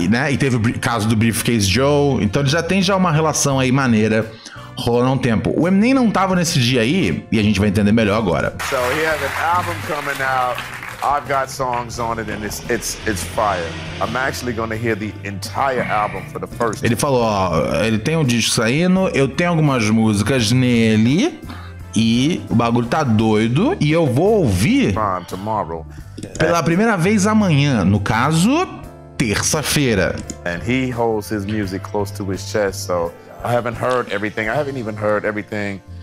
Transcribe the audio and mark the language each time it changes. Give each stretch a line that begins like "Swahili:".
Portuguese: E teve o caso do Briefcase Joe, então ele já tem já uma relação aí maneira. Rolou um tempo. O Eminem não tava nesse dia aí, e a gente vai entender melhor agora.
English: So he has an album coming out. I've got songs on it and it's fire. I'm actually gonna hear the entire album for the first time.
Portuguese: Ele falou, ó, ele tem um disco saindo, eu tenho algumas músicas nele, e o bagulho tá doido, e eu vou ouvir pela primeira vez amanhã. No caso, terça-feira.
English: And he holds his music close to his chest, so I haven't heard everything. I haven't even heard everything.